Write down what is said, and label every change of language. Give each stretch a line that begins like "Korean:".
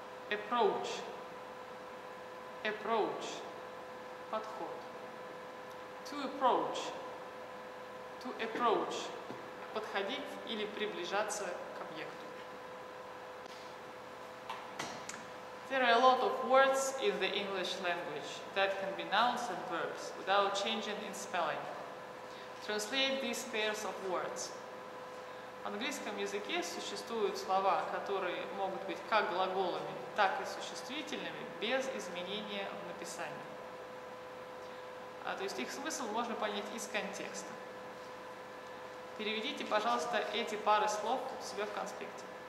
English: Approach. Approach.
Russian: Подход.
English: To approach. To approach.
Russian: Подходить или приближаться к объекту.
English: There are a lot of words in the English language that can be nouns and verbs without changing in spelling. Translate these pairs of words.
Russian: В английском языке существуют слова, которые могут быть как глаголами, так и существительными без изменения в написании. То есть их смысл можно понять из контекста. Переведите, пожалуйста, эти пары слов у себя в конспекте.